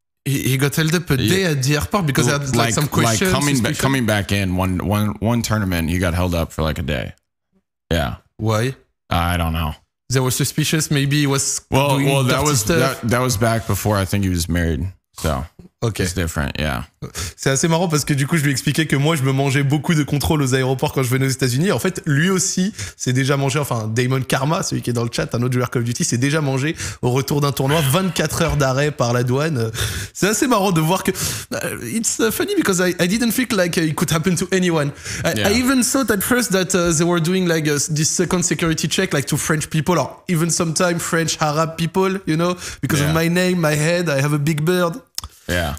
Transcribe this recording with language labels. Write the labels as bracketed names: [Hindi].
[English] He got held up a day at the airport because he had like some questions. Like coming back in one tournament, he got held up for like a day. Yeah. Why? I don't know. They were suspicious. Maybe he was That was back before I think he was married. So. Okay. It's different, yeah. [French] C'est assez marrant parce que du coup, je lui expliquais que moi, je me mangeais beaucoup de contrôles aux aéroports quand je venais aux États-Unis. En fait, lui aussi s'est déjà mangé, enfin, Damon Karma, celui qui est dans le chat, un autre joueur Call of Duty, s'est déjà mangé au retour d'un tournoi 24 heures d'arrêt par la douane. C'est assez marrant de voir que. [English] It's funny because I didn't think like it could happen to anyone. I even thought at first that they were doing like this second security check, like to French people, or even sometimes French Arab people, you know, because of my name, my head, I have a big bird. Yeah.